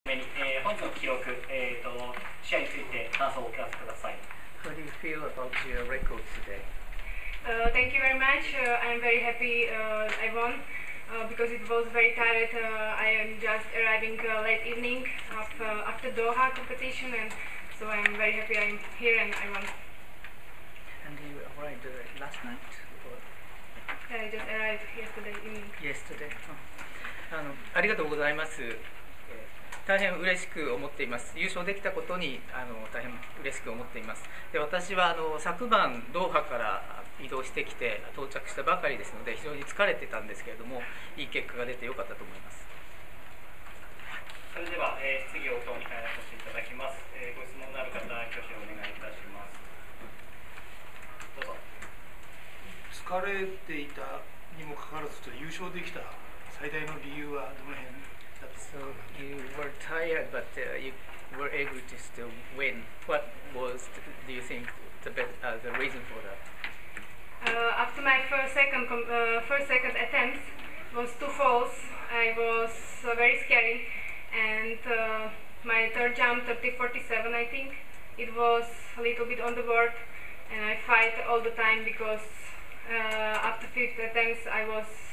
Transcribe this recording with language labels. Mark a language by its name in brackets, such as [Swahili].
[Japanese] 日の記録、試合について感想をお聞かせください。 [English] How do you feel about your record today? Thank you very much. I'm very happy I won because it was very tired. I am just arriving late evening after Doha competition, and so I'm very happy I'm here and I won. And you arrived last night? I just arrived yesterday evening. Yesterday. [Japanese] ありがとうございます。大変嬉しく思っています。優勝できたことに大変嬉しく思っています。で私は昨晩ドーハから移動してきて到着したばかりですので非常に疲れてたんですけれどもいい結果が出てよかったと思います。それでは、質疑応答に入らせていただきます。ご質問のある方は挙手をお願いいたします。どうぞ。疲れていたにもかかわらずと優勝できた最大の理由はどの辺だと [English] So you were tired, but you were able to still win. What was, do you think, the reason for that? After my first second attempt was two falls, I was very scary, and my third jump 30-47, I think, it was a little bit on the board, and I fight all the time because after fifth attempts I was.